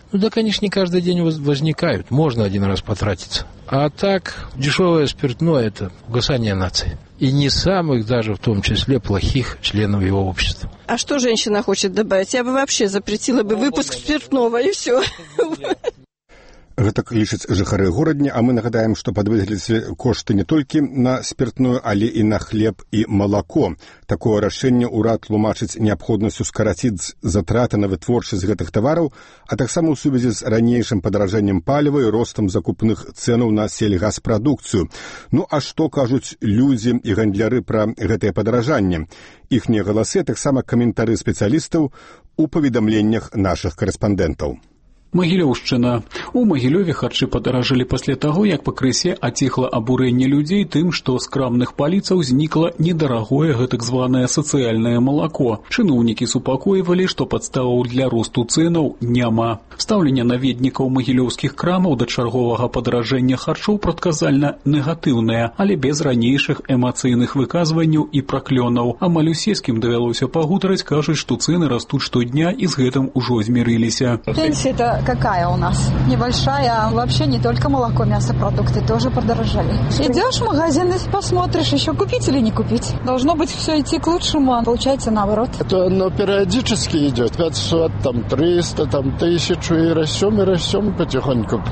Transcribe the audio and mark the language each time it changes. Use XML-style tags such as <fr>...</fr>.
<ru>Ну, да, конечно, не каждый день возникают, можно один раз потратиться. А так, дешевое спиртное – это угасание нации. И не самых даже, в том числе, плохих членов его общества. А что женщина хочет добавить? Я бы вообще запретила бы выпуск спиртного, и все.</ru> <be>Гэтак лічаць жыхары горадні, а мы нагадаем, што падвысіліся кошты не толькі на спіртную, але і на хлеб і малако. Такое рашэнне ўрад тлумачыць неабходнасцю скараціць затраты на вытворчасць гэтых тавараў, а таксама ў сувязі з ранейшым падаражэннем паліва і ростам закупных цэнаў на сельгаспрадукцыю. Ну а што кажуць людзі і гандляры пра гэтае падаражанне? Іхнія галасы, таксама каментары спецыялістаў у паведамленнях нашых корэспандэнтаў. Магілёўшчына. У Магілёве харчы падаражалі пасля таго, як пакрысе аціхла абурэнне людзей тым, што з крамных паліцаў знікла недарагое гэтак званае сацыяльнае малако. Чыноўнікі супакойвалі, што падставаў для росту цэнаў няма. Стаўленне наведнікаў магілёўскіх крамаў да чарговага падаражэння харчоў прадказальна негатыўнае, але без ранейшых эмацыйных выказванняў і праклёнаў. Амаль у сельскім давялося пагутарыць, кажуць, што цэны растуць штодня і з гэтым ужо змірыліся.</be> <ru>какая у нас? Небольшая, а вообще не только молоко, мясопродукты тоже подорожали. Идешь в магазин и посмотришь, еще купить или не купить. Должно быть все идти к лучшему, а получается наоборот. Это оно периодически идет. 500, там 300, там 1000 и растем потихоньку.</ru>